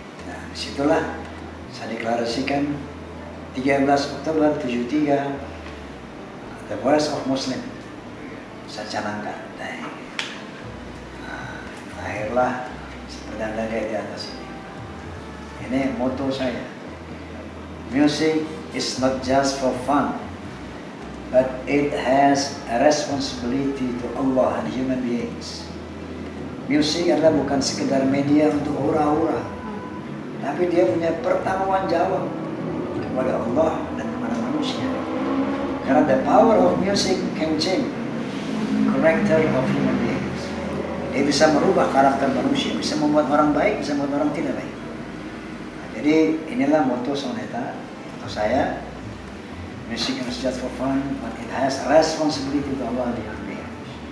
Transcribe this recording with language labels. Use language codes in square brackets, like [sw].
[id] Nah, disitulah saya deklarasikan 13 Oktober 73 The Voice of Muslim saya canangkan. Nah, lahirlah perdana dari di atas ini. Ini moto saya. [en] Music is not just for fun, but it has a responsibility to Allah and human beings. [id] Music adalah bukan sekedar media untuk hura-hura, tapi dia punya pertanggungan jawab kepada Allah dan kepada manusia. Karena [en] the power of music can change character of human beings. [id] Dia bisa merubah karakter manusia, bisa membuat orang baik, bisa membuat orang tidak baik. Nah, jadi inilah motto Soneta, itu saya. [en] Music is just for fun, but it has responsibility to Allah and the human beings.